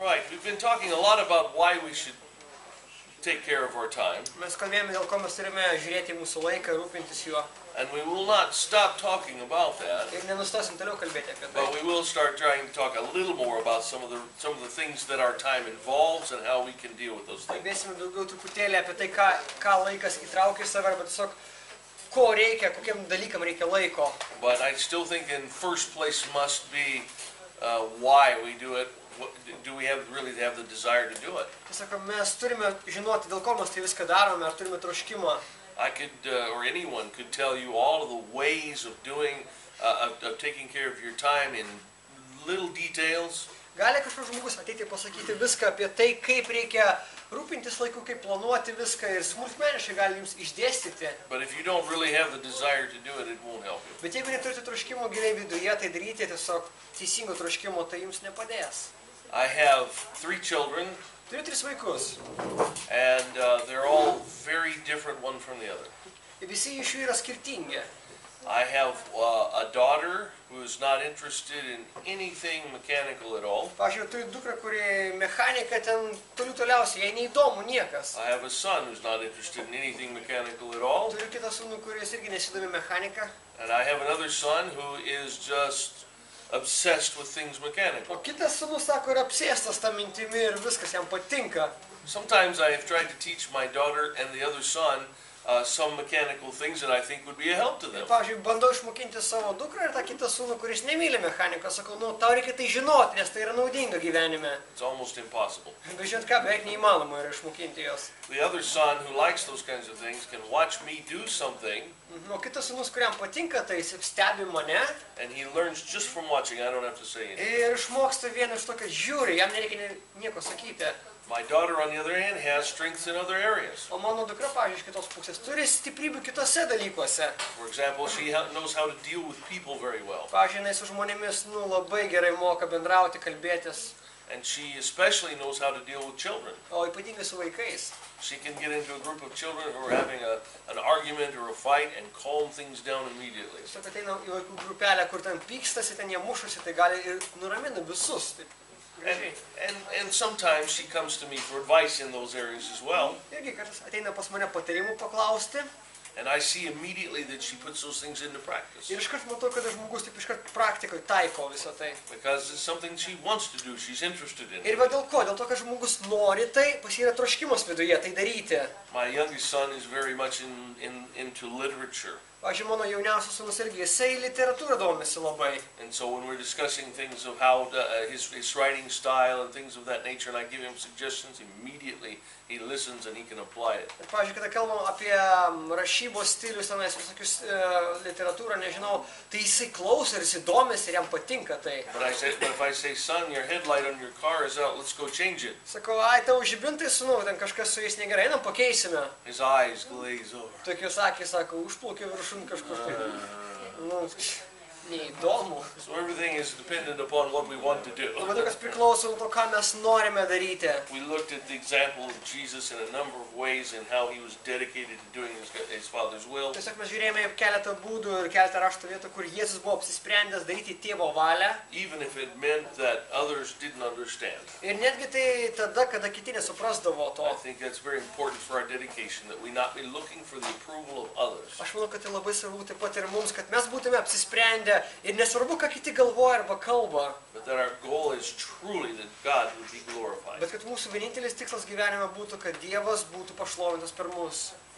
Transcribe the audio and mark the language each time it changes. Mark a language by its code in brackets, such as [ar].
[en] we've been talking a lot about why we should take care of our time. [lt] Mes kalbėjome dėl ko mes turime žiūrėti mūsų laiką, rūpintis juo. [en] And we will not stop talking about that. [lt] Ir nenustosim toliau kalbėti apie tai. [en] But we will start trying to talk a little more about some of the things that our time involves and how we can deal with those things. [lt] Kalbėsime daugiau truputėlį apie tai, ką laikas įtraukia į save, arba tiesiog ko reikia, kokiam dalykam reikia laiko. [en] But I still think in first place must be why we do it. What, do we have really have the desire to do it? [lt] Mes turime žinoti, dėl ko mes tai viską darome, ar turime troškimą. [en] I could, or anyone could tell you all of the ways of doing, of taking care of your time in little details. [lt] Gali kažkas žmogus ateiti pasakyti viską apie tai, kaip reikia rūpintis laiku, kaip planuoti viską ir smulkmeniškai gali jums išdėstyti. [en] But if you don't really have the desire to do it, it won't help you. [lt] Bet jeigu neturite troškimo giliai viduje, tai daryti tiesiog teisingo troškimo, tai jums nepadės. [en] I have three children. [lt] Turiu tris vaikus. [en] And they're all very different one from the other. [lt] Visi iš jų yra skirtingi. [en] I have a daughter who is not interested in anything mechanical at all. [lt] Pavyzdžiui, turiu dukrą, kuri mechanika ten toliu toliausiai, jai neįdomu niekas. [en] I have a son who is not interested in anything mechanical at all. [lt] Turiu kitą sūnų, kuris irgi nesidomi mechanika. [en] And I have another son who is just obsessed with things mechanical. [lt] O kitas sūnus sako, yra apsėstas tą mintimį ir viskas jam patinka. [en] Sometimes I have tried to teach my daughter and the other son some mechanical things that I think would be a help to them. [lt] Pavyzdžiui, bandau išmokinti savo dukrą ir tą kitą sūnų, kuris nemyli mechaniką, sakau, nu, tau reikia tai žinoti, nes tai yra naudinga gyvenime. [en] It's almost impossible. [lt] Bet žinot ką, beveik neįmanoma yra išmokinti jos. [en] The other son who likes those kinds of things can watch me do something. [lt] O kitas sūnus, kuriam patinka, tai jis stebi mane. [en] And he learns just from watching, I don't have to say anything. [lt] Ir išmoksta vien iš to, kad žiūri, jam nereikia nieko sakyti. [en] My daughter, on the other hand, has strengths in other areas. [lt] O mano dukra, pavyzdžiui, kitos pusės, turi stiprybių kitose dalykuose. [en] For example, she knows how to deal with people very well. [lt] Pavyzdžiui, jinai su žmonėmis labai gerai moka bendrauti, kalbėtis. [en] And she especially knows how to deal with children. [lt] O ypatingai su vaikais. [en] She can get into a group of children who are having an argument or a fight and calm things down immediately. [lt] Su ateina į vaikų grupelę, kur ten pykstasi, ten jie mušasi, tai gali ir nuramina visus. [en] And sometimes she comes to me for advice in those areas as well. [lt] Irgi kartais ateina pas mane patarimų paklausti. [en] And I see immediately that she puts those things into practice. [lt] Ir iškart matau, kad žmogus taip iškart praktikoje taiko visą tai. [en] Because it's something she wants to do, she's interested in. [lt] Ir va dėl ko? Dėl to, kad žmogus nori tai, pas yra troškimas viduje tai daryti. [en] My youngest son is very much into literature. [lt] Pavyzdžiui, mano jauniausias sūnus irgi, jisai literatūrą domisi labai. [en] And so when we're discussing things of how his writing style and things of that nature, and I give him suggestions, immediately he listens and he can apply it. [lt] Pavyzdžiui, kada kalbam apie rašybos stilių, senais visokius literatūrą, nežinau, tai jisai klauso ir jisai domisi ir jam patinka tai. [en] But if I say, son, your headlight on your car is out, let's go change it. [lt] Sakau, ai, tau žibintai, sūnau, ten kažkas su jais negerai, einam pakeisime. [en] His eyes glaze over. [lt] Tokios akys, sako, užplaukė viršun kažkur tai. Nu, neįdomu. [en] So everything is dependent upon what we want to do. [lt] Bet kas priklauso nuo to, ką mes norime daryti. [en] We looked at the example of Jesus in a number of ways and how he was dedicated to doing his father's will. [lt] Tiesiog mes žiūrėjome keletą būdų ir keletą rašto vietų, kur Jėzus buvo apsisprendęs daryti tėvo valią. [en] Even if it meant that others didn't understand. [lt] Ir netgi tai tada, kada kiti nesuprasdavo to. [en] I think that's very important for our dedication, that we not be looking for the approval of others. [lt] Aš manau, kad tai labai svarbu taip pat ir mums, kad mes būtume apsisprendę ir nesvarbu, ką kiti galvoja arba kalba. [en] But that our goal is truly that God would be glorified. [lt] Bet kad mūsų vienintelis tikslas gyvenime būtų, kad Dievas būtų pašlovintas per mus.